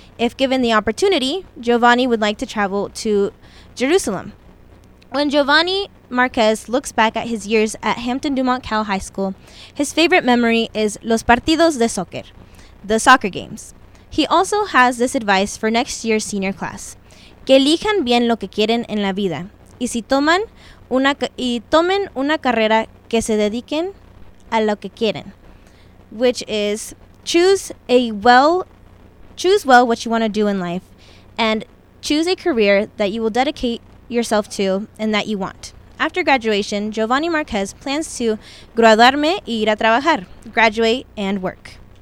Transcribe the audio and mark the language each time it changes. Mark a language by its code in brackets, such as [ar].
[en] If given the opportunity, Giovanni would like to travel to Jerusalem. When Giovanni Marquez looks back at his years at Hampton Dumont Cal High School, his favorite memory is [es] Los Partidos de Soccer, [en] the soccer games. He also has this advice for next year's senior class. [es] Que elijan bien lo que quieren en la vida. Y si toman una, y tomen una carrera que se dediquen a lo que quieren. [en] Which is, choose well what you want to do in life. And choose a career that you will dedicate yourself to and that you want. After graduation, Giovanni Marquez plans to [es] graduarme y ir a trabajar, [en] graduate and work.